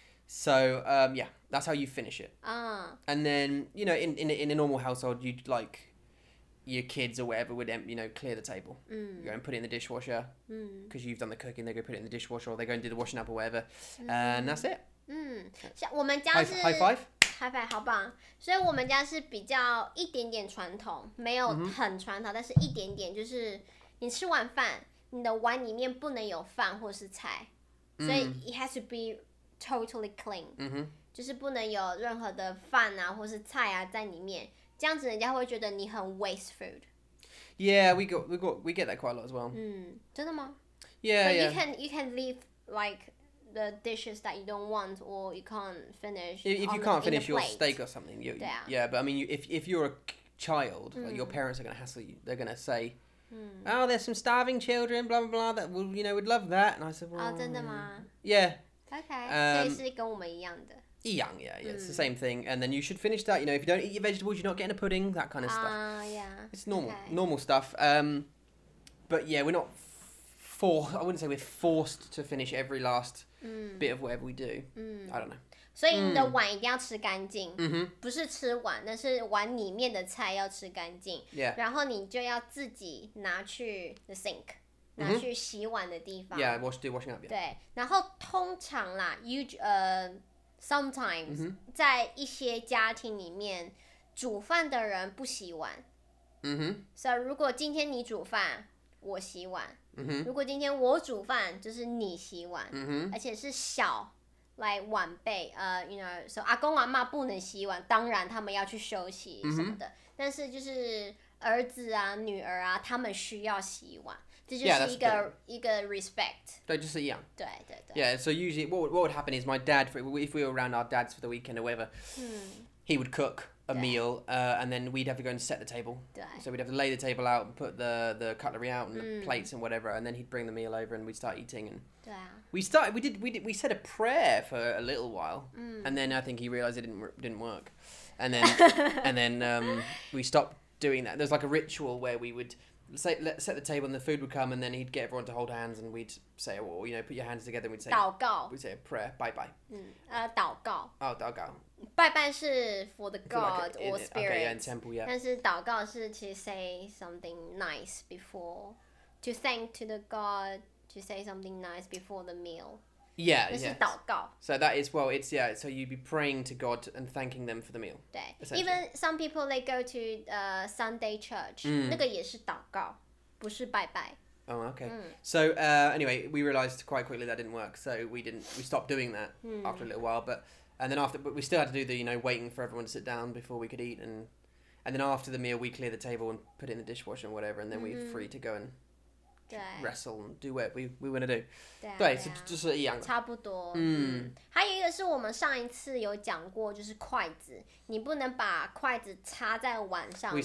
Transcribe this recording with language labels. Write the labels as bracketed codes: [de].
[en] So, yeah, that's how you finish it.、And then, you know, in a normal household, you'd like your kids or whatever would, you know, clear the table.、嗯、 you go and put it in the dishwasher. Because、嗯、 you've done the cooking, they go put it in the dishwasher, or they go and do the washing up or whatever.、嗯、 and that's it. [zh] 嗯，像我们家是 [en] high five [zh] 好棒，所以我们家是比较一点点传统，没有很传统、嗯，但是一点点就是你吃完饭，你的碗里面不能有饭或是菜，所以 [en] it has to be totally clean，、嗯、 [zh] 就是不能有任何的饭啊或是菜啊在里面，这样子人家会觉得你很 [en] waste food。 Yeah, we get that quite a lot as well. [zh] 嗯，真的吗？Yeah, [en] but you can leave like. The dishes that you don't want or you can't finish. If you can't finish your steak or something, you, [zh] 对啊、 yeah. [en] But I mean, if you're a child,、mm. like、your parents are gonna hassle you. They're gonna say,、 mm. "Oh, there's some starving children, blah blah blah." That will, you know, would love that. And I said, "Well, [zh] oh, 真的吗 Yeah. Okay. 所以是跟我们一样的。 [en] 一样 yeah, yeah.、Mm. It's the same thing. And then you should finish that. You know, if you don't eat your vegetables, you're not getting a pudding. That kind of stuff. Ah, yeah. It's normal,、 okay. normal stuff. But yeah, we're not I wouldn't say we're forced to finish every last. 嗯、 bit of whatever we do、嗯、 I don't know [zh] 所以你的碗一定要吃干净、嗯、不是吃碗那是碗里面的菜要吃干净、 yeah. 然后你就要自己拿去 [en] the sink、嗯、 [zh] 拿去洗碗的地方 [en] Yeah, do washing up、yeah. [zh] 对然后通常啦 [en] Sometimes, [zh] mm-hmm. 在一些家庭里面，煮饭的人不洗碗。嗯哼。 So, 如果今天你煮饭，我洗碗。嗯哼。如果今天我煮饭，就是你洗碗。嗯哼。而且是小like 晚辈， [en] you know, [zh] so 阿公阿嬷不能洗碗，当然他们要去休息什么的。 Mm-hmm. 但是就是儿子啊、女儿啊，他们需要洗碗，这就是一个 yeah, 一个 respect。对，就是一样。对对对。 [en] Yeah, so usually what would happen is my dad, if we were around our dads for the weekend or whatever,、he would cook a meal, and then we'd have to go and set the table. [zh] 对。 [en] So we'd have to lay the table out and put the cutlery out and the plates and whatever, and then he'd bring the meal over and we'd start eating and. [zh] 对啊。 [en] We said a prayer for a little while, and then I think he realized it didn't work, and then and then we stopped doing that. There's like a ritual where we would set the table and the food would come, and then he'd get everyone to hold hands and we'd say, well, you know, put your hands together, and we'd say [zh] 祷告, [en] we'd say a prayer, bye bye. [zh] 祷告. Oh, 祷告. 拜拜是 [en] for the god like or spirit. Okay, yeah, in temple, yeah. [zh] 但是祷告是 [en] to say something nice before, to thank to the god. To say something nice before the meal. Yeah, yeah. So that is, well, it's, yeah, so you'd be praying to God and thanking them for the meal. Even some people, they go to Sunday church. [zh] 那个也是祷告,不是拜拜。 [en] Oh, okay. So anyway, we realized quite quickly that didn't work. So we stopped doing that after a little while. But we still had to do the, you know, waiting for everyone to sit down before we could eat. And then after the meal, we clear the table and put it in the dishwasher and whatever. And then we're free to go and... wrestle and do what we want to do. [zh] 对, 对, 对、啊、就是一样的差不多、还有一个是我们上一次有讲过就是筷子你不能把筷子插在碗上面